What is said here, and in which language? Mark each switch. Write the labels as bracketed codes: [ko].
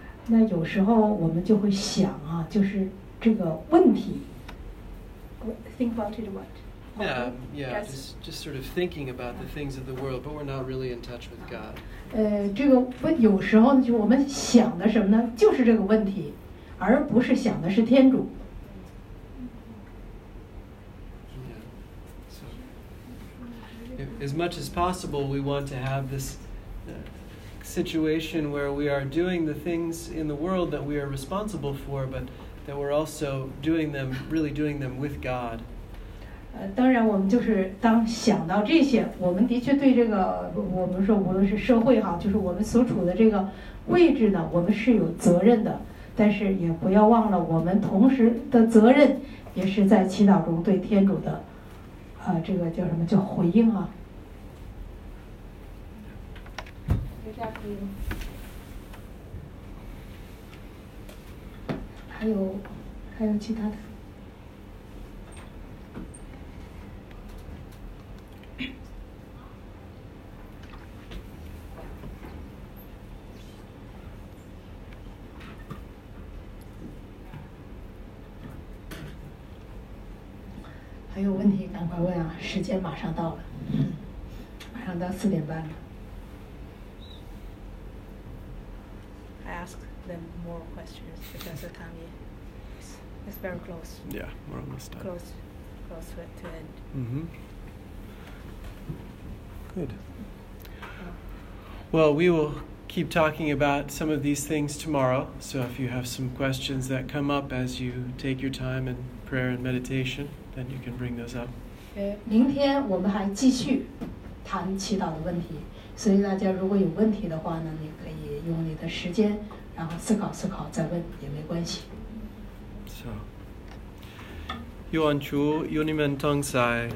[zh] 那有时候我们就会想啊，就是这个问题。 [en] Think about it what? Just sort of thinking about the things of the world, but we're not really in touch with God. [zh] 这个问有时候呢，就我们想的什么呢？就是这个问题，而不是想的是天主。 [en] Yeah. So, as much as possible, we want to have this. Situation where we are doing the things in the world that we are responsible for, but that we're also doing them with God. [zh] 当然我们就是当想到这些，我们的确对这个，我们说无论是社会哈，就是我们所处的这个位置呢，我们是有责任的，但是也不要忘了我们同时的责任也是在祈祷中对天主的这个叫什么叫回应啊。还有其他的。还有问题赶快问啊，时间马上到了，马上到4:30了。 [en] ask them more questions because the time is very close. Yeah, we're almost done. Close to end. Mm-hmm. Good. Well, we will keep talking about some of these things tomorrow. So if you have some questions that come up as you take your time in prayer and meditation, then you can bring those up. [zh] 明天我们还继续谈祈祷的问题，所以大家如果有问题的话呢，你可以用你的时间，然后思考思考再问也没关系。 So, 愿主与你们同在。